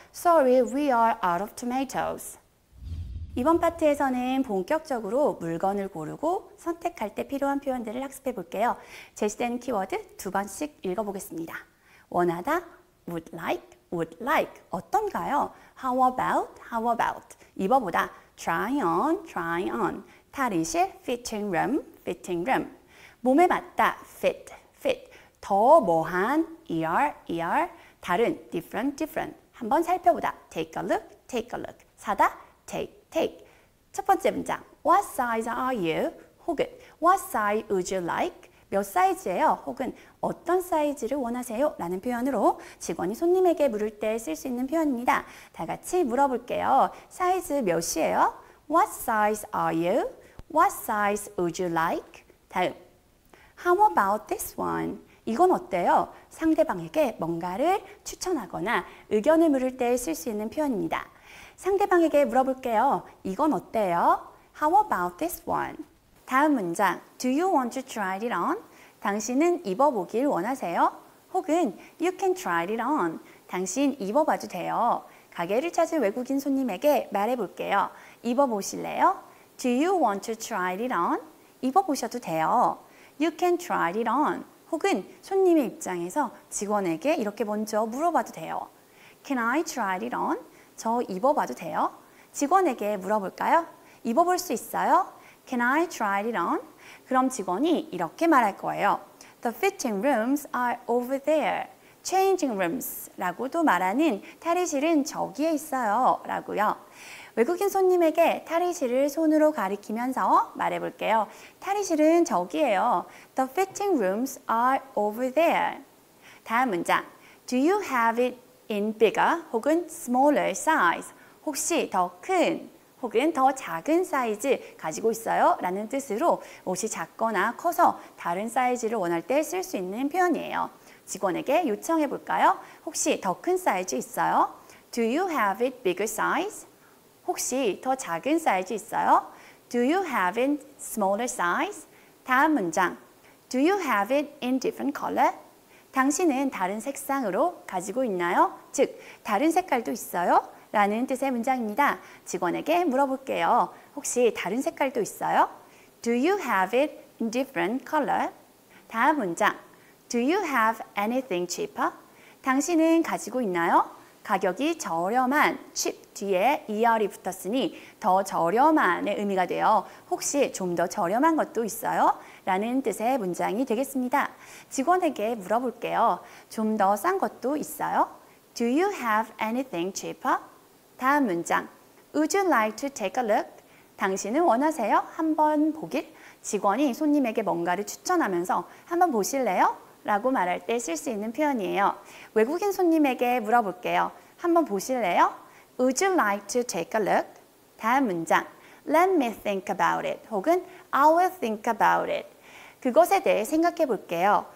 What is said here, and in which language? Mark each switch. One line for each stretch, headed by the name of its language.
English: Sorry, we are out of tomatoes.
Korean: 이번 파트에서는 본격적으로 물건을 고르고 선택할 때 필요한 표현들을 학습해 볼게요. 제시된 키워드 두 번씩 읽어보겠습니다. 원하다,
English: would like,
Korean: 어떤가요?
English: How about,
Korean: 입어보다,
English: try on,
Korean: 탈의실,
English: fitting room,
Korean: 몸에 맞다,
English: fit,
Korean: 더 뭐한,
English: ER,
Korean: 다른,
English: different,
Korean: 한번 살펴보다.
English: Take a look, take a look.
Korean: 사다,
English: take, take.
Korean: 첫 번째 문장.
English: What size are you?
Korean: 혹은
English: What size would you like?
Korean: 몇 사이즈예요? 혹은 어떤 사이즈를 원하세요? 라는 표현으로 직원이 손님에게 물을 때 쓸 수 있는 표현입니다. 다 같이 물어볼게요. 사이즈 몇이에요?
English: What size are you? What size would you like?
Korean: 다음.
English: How about this one?
Korean: 이건 어때요? 상대방에게 뭔가를 추천하거나 의견을 물을 때 쓸 수 있는 표현입니다. 상대방에게 물어볼게요. 이건 어때요?
English: How about this one?
Korean: 다음 문장.
English: Do you want to try it on?
Korean: 당신은 입어보길 원하세요?
English: 혹은 You can try it on.
Korean: 당신 입어봐도 돼요. 가게를 찾은 외국인 손님에게 말해볼게요. 입어보실래요?
English: Do you want to try it on?
Korean: 입어보셔도 돼요.
English: You can try it on.
Korean: 혹은 손님의 입장에서 직원에게 이렇게 먼저 물어봐도 돼요.
English: Can I try it on?
Korean: 저 입어봐도 돼요? 직원에게 물어볼까요? 입어볼 수 있어요?
English: Can I try it on?
Korean: 그럼 직원이 이렇게 말할 거예요.
English: The fitting rooms are over there. Changing rooms
Korean: 라고도 말하는 탈의실은 저기에 있어요. 라고요. 외국인 손님에게 탈의실을 손으로 가리키면서 말해볼게요. 탈의실은 저기예요.
English: The fitting rooms are over there.
Korean: 다음 문장.
English: Do you have it in bigger
Korean: 혹은
English: smaller size?
Korean: 혹시 더 큰 혹은 더 작은 사이즈 가지고 있어요? 라는 뜻으로 옷이 작거나 커서 다른 사이즈를 원할 때 쓸 수 있는 표현이에요. 직원에게 요청해 볼까요? 혹시 더 큰 사이즈 있어요?
English: Do you have it bigger size?
Korean: 혹시 더 작은 사이즈 있어요?
English: Do you have it smaller size?
Korean: 다음 문장.
English: Do you have it in different color?
Korean: 당신은 다른 색상으로 가지고 있나요? 즉, 다른 색깔도 있어요? 라는 뜻의 문장입니다. 직원에게 물어볼게요. 혹시 다른 색깔도 있어요?
English: Do you have it in different color?
Korean: 다음 문장.
English: Do you have anything cheaper?
Korean: 당신은 가지고 있나요? 가격이 저렴한 cheap 뒤에 er이 붙었으니 더 저렴한의 의미가 되어 혹시 좀 더 저렴한 것도 있어요? 라는 뜻의 문장이 되겠습니다. 직원에게 물어볼게요. 좀 더 싼 것도 있어요?
English: Do you have anything cheaper?
Korean: 다음 문장.
English: Would you like to take a look?
Korean: 당신은 원하세요? 한번 보길? 직원이 손님에게 뭔가를 추천하면서 한번 보실래요? 라고 말할 때 쓸 수 있는 표현이에요. 외국인 손님에게 물어볼게요. 한번 보실래요?
English: Would you like to take a look?
Korean: 다음 문장.
English: Let me think about it. 혹은 I will think about it.
Korean: 그것에 대해 생각해 볼게요.